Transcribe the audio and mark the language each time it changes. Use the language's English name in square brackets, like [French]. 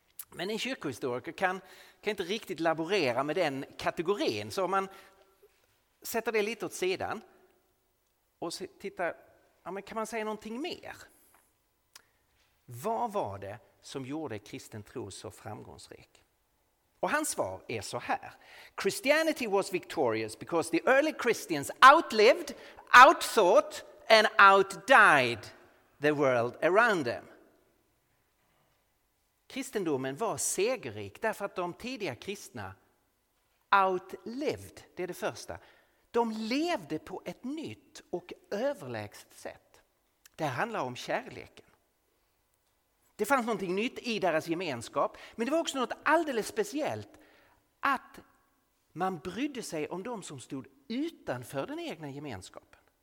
[Swedish] Men en kyrkohistoriker kan inte riktigt laborera med den kategorin. Så om man sätter det lite åt sidan och tittar, ja, men kan man säga någonting mer? Vad var det som gjorde kristen tro så framgångsrik? Och hans svar är så här. [English] Christianity was victorious because the early Christians outlived, outthought and outdied the world around them. [Swedish] Kristendomen var segerrik därför att de tidiga kristna outlived, det är det första. De levde på ett nytt och överlägset sätt. Det här handlar om kärleken. Det fanns något nytt i deras gemenskap, men det var också något alldeles speciellt att man brydde sig om de som stod utanför den egna gemenskapen.